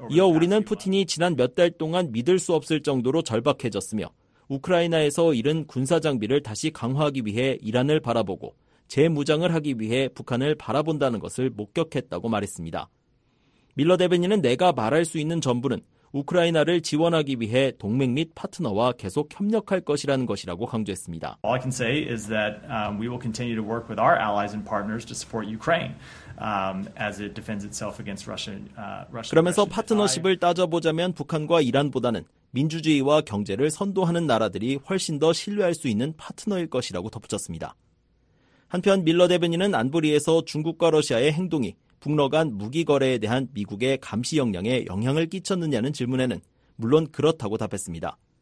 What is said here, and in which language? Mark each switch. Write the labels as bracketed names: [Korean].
[Korean] 이어 우리는 푸틴이 지난 몇 달 동안 믿을 수 없을 정도로 절박해졌으며 우크라이나에서 잃은 군사 장비를 다시 강화하기 위해 이란을 바라보고 재무장을 하기 위해 북한을 바라본다는 것을 목격했다고 말했습니다. 밀러 대변인은 내가 말할 수 있는 전부는 우크라이나를 지원하기 위해 동맹 및 파트너와 계속 협력할 것이라는 것이라고 강조했습니다. [English] All I can say is that we will continue to work with our allies and partners to support Ukraine as it defends itself against Russia. [Korean] 그러면서 파트너십을 따져보자면 북한과 이란보다는 민주주의와 경제를 선도하는 나라들이 훨씬 더 신뢰할 수 있는 파트너일 것이라고 덧붙였습니다. 한편 밀러 대변인은 안보리에서 중국과 러시아의 행동이 북러 간 무기 거래에 대한 미국의 감시 역량에 영향을 끼쳤느냐는 질문에는 물론 그렇다고 답했습니다.